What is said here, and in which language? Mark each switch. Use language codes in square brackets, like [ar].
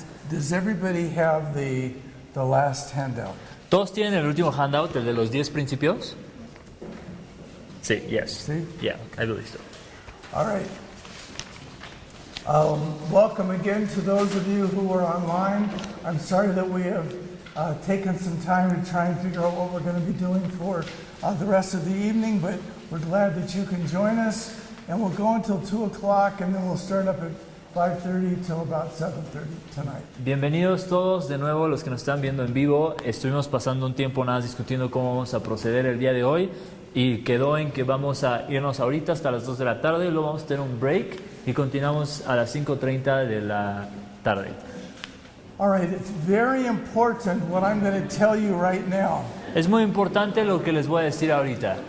[en] Does everybody have the last handout? [es] ¿Todos tienen el último handout, el de los 10 principios? Sí, [en] yes. [es] ¿Sí? [en] Yeah, I believe so. All right. Welcome again to those of you who are online. I'm sorry that we have taken some time to try and figure out what we're going to be doing for the rest of the evening, but we're glad that you can join us. And we'll go until 2 o'clock, and then we'll start up at 5:30 till about 7:30 tonight. [es] Bienvenidos todos de nuevo, los que nos están viendo en vivo. Estuvimos pasando un tiempo nada discutiendo cómo vamos a proceder el día de hoy, y quedó en que vamos a irnos ahorita hasta las 2 de la tarde, y luego vamos a tener un break, y continuamos a las 5:30 de la tarde. [en] All right, it's very important what I'm going to tell you right now. [es] Es muy importante lo que les voy a decir ahorita.